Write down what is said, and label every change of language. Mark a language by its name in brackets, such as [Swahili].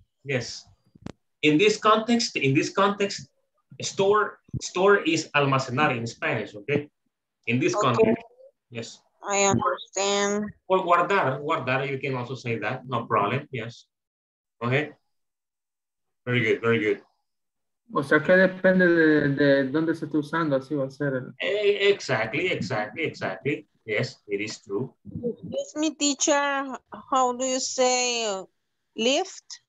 [English] Yes. In this context, store is almacenar in Spanish, okay? In this context, yes. I understand. Or guardar, you can also say that, no problem, yes. Okay? Very good, very good. [Spanish] O sea, que depende de dónde se está usando, así va a ser. [English] Exactly. Yes, it is true. Excuse me, teacher, how do you say lift?